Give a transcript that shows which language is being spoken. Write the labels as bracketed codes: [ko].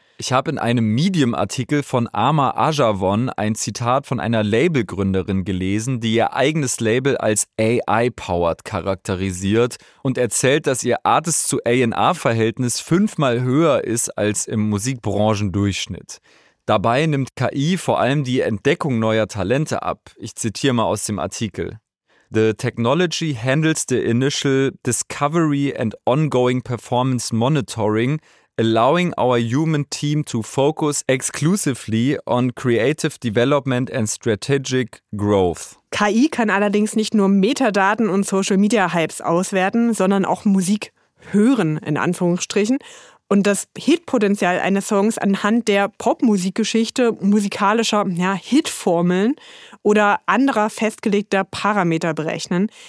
[de] Ich habe in einem Medium-Artikel von Amar Ajawan ein Zitat von einer Labelgründerin gelesen, die ihr eigenes Label als AI-powered charakterisiert und erzählt, dass ihr Artist-zu-A&R-Verhältnis 5-mal höher ist als im Musikbranchendurchschnitt. Dabei nimmt KI vor allem die Entdeckung neuer Talente ab. Ich zitiere mal aus dem Artikel. [en] The technology handles the initial discovery and ongoing performance monitoring, allowing our human team to focus exclusively on creative development and strategic growth. [de] KI kann allerdings nicht nur Metadaten und Social Media Hypes auswerten, sondern auch Musik hören, in Anführungsstrichen, und das Hitpotenzial eines Songs anhand der Popmusikgeschichte, musikalischer Hitformeln oder anderer festgelegter Parameter berechnen.